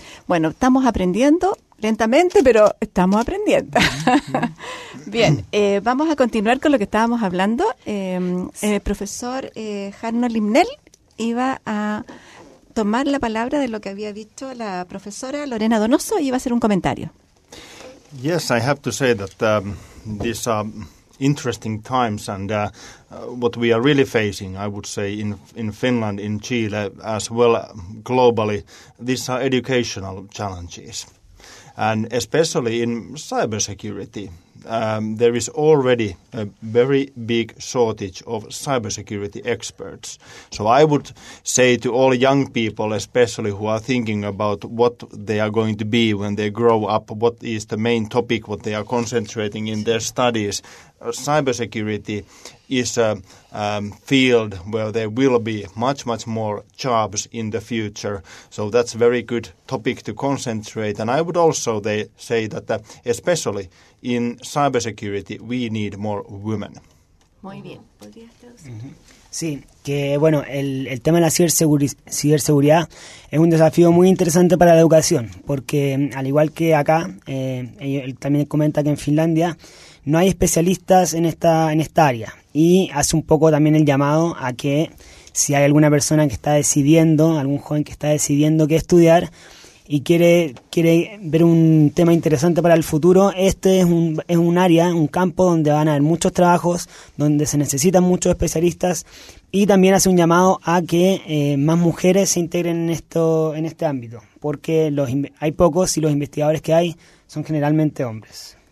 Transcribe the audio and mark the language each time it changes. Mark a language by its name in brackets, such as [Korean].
[Spanish] Bueno, estamos aprendiendo lentamente, pero estamos aprendiendo. Bien, vamos a continuar con lo que estábamos hablando. El profesor Jarno Limnell iba a tomar la palabra de lo que había dicho la profesora Lorena Donoso y iba a hacer un comentario. [English] Yes, I have to say that these are interesting times and what we are really facing, I would say, in Finland, in Chile, as well globally, these are educational challenges. And especially in cybersecurity, there is already a very big shortage of cybersecurity experts. So I would say to all young people, especially who are thinking about what they are going to be when they grow up, what is the main topic, what they are concentrating in their studies, cybersecurity is a field where there will be much, much more jobs in the future. So that's a very good topic to concentrate. And I would also say that especially in cybersecurity, we need more women. [Spanish] Muy bien. ¿Podrías traducir? Sí, que bueno, el tema de la ciberseguridad es un desafío muy interesante para la educación, porque al igual que acá, él también comenta que en Finlandia no hay especialistas en esta área. Y hace un poco también el llamado a que si hay alguna persona que está decidiendo, algún joven que está decidiendo qué estudiar y quiere ver un tema interesante para el futuro, este es un área, un campo donde van a haber muchos trabajos, donde se necesitan muchos especialistas, y también hace un llamado a que más mujeres se integren en este ámbito, porque hay pocos y los investigadores que hay son generalmente hombres.